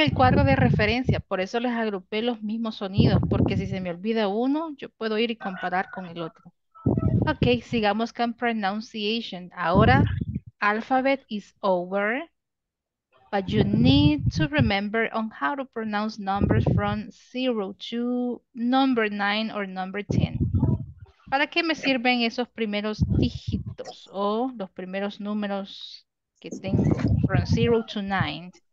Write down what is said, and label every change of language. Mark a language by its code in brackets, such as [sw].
[es] el cuadro de referencia, por eso les agrupé los mismos sonidos, porque si se me olvida uno, yo puedo ir y comparar con el otro. Ok, sigamos con pronunciation. [en] Ahora, alphabet is over, but you need to remember on how to pronounce numbers from 0 to number 9 or number 10. [es] ¿Para qué me sirven esos primeros dígitos o los primeros números que tengo, [en] from 0 to 9?